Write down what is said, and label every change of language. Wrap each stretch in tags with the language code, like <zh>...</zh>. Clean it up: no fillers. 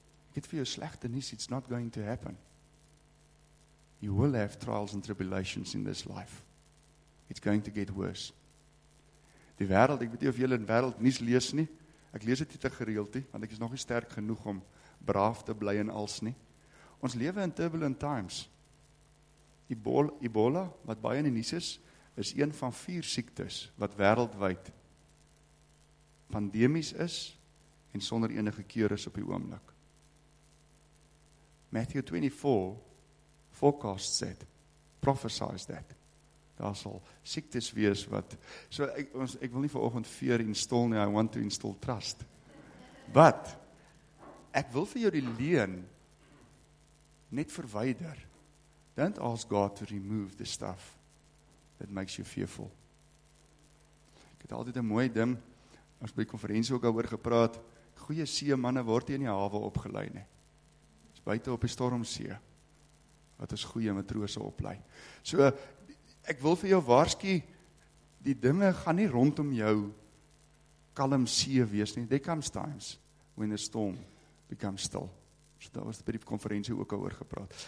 <af>Ek het vir jou slegte nuus,</af> <en>it's not going to happen. You will have trials and tribulations in this life. It's going to get worse.</en> <af>Die wêreld, ek weet nie of julle in wêreld nuus lees nie. Ek lees dit nie te gereeld nie, want ek is nog nie sterk genoeg om braaf te bly en als nie. Ons lewe in</af> <en>turbulent times.</en> <af>Ebola, wat baie in die nuus is, is een van 4 siektes wat wêreldwyd pandemies is en sonder enige keur is op die oomblik.</af> <en>Matthew 24 forecasts that, prophesies that.</en> <af>Daar sal siektes wees wat, so ek wil nie vanoggend</af> <en>fear install</en> <af>nie,</af> <en>I want to install trust.</en> <af>But, ek wil vir jou die leen net verwyder.</af> <en>Don't ask God to remove the stuff that makes you fearful.</en> <af>Ek het altyd 'n mooi ding, ons by die konferensie ook al oor gepraat, goeie seemanne word in die hawe opgelei nie. Dis buite op die stormsee, wat ons goeie matrose oplei. So, ek wil vir jou waarsku, die dinge gaan nie rondom jou kalm see wees nie.</af> <en>There comes times when the storm becomes still.</en> <af>So daar was by die konferensie ook al oor gepraat.</af>